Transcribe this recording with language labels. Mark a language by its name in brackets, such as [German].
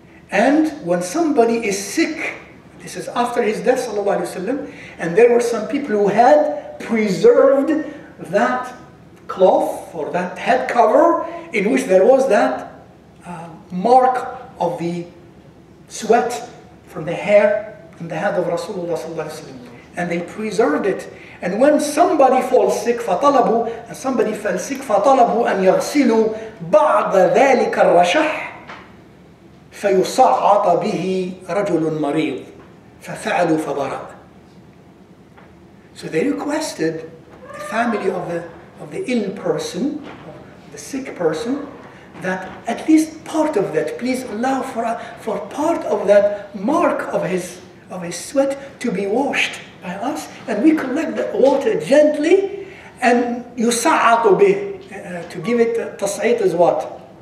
[English] And when somebody is sick, this is after his death sallallahu alayhi wa sallam, and there were some people who had preserved that cloth or that head cover in which there was that mark of the sweat from the hair and the head of Rasulullah sallallahu alayhi wa sallam, and they preserved it. And when somebody falls sick, [Arabic] فَطَلَبُوا, [English] and somebody fell sick, [Arabic] فَطَلَبُوا أَنْ يَغْسِلُوا بَعْضَ ذَلِكَ الرَّشَحْ فَيُصَعَّطَ بِهِ رَجُلٌ مَرِيضٌ فَفَعَلُوا فَبَرَأَ. [English] So they requested the family of the ill person, of the sick person, that at least part of that, please allow for part of that mark of his sweat to be washed by us, and we collect the water gently, and [Arabic] يُصَعَّطُ بِهِ, [English] to give it, تَصْعِيط is what?